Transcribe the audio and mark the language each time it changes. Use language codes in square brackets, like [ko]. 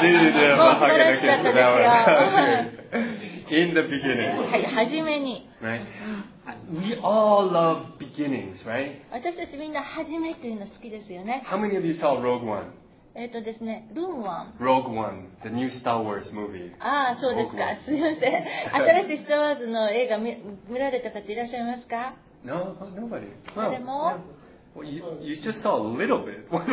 [en] She deserves a hug and a kiss for that one. In the beginning. [ja] はじめに。 [en] Right? We all love beginnings, right? [ja] 私たちみんなはじめというの好きですよね。 [en] How many of you saw Rogue One? [ja] ですね、ルーン1。 [en] Rogue One, the new Star Wars movie. [ja] ああ、そうですか。すみません。新しいスターウォーズの映画見られた方いらっしゃいますか [en] ？No, nobody. Well, [ja] でも、 [en] you just saw a little bit.